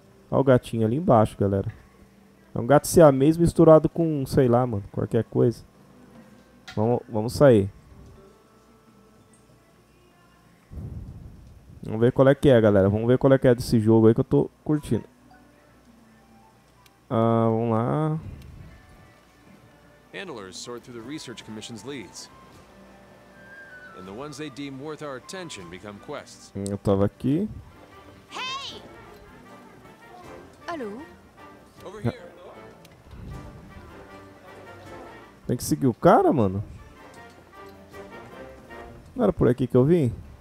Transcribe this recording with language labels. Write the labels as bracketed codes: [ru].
[pt] Olha o gatinho ali embaixo, galera. É um gato siamês misturado com, sei lá, mano, qualquer coisa. Vamos sair. Vamos ver qual é que é, galera. Vamos ver qual é que é desse jogo aí que eu tô curtindo. Ah, vamos lá. [en] Handlers sort through the research commission's leads. And the ones they deem worth our attention become quests. [pt] Eu tava aqui. Hey! Alô? [en] Over here. [pt] Tem que seguir o cara, mano. Não era por aqui que eu vim?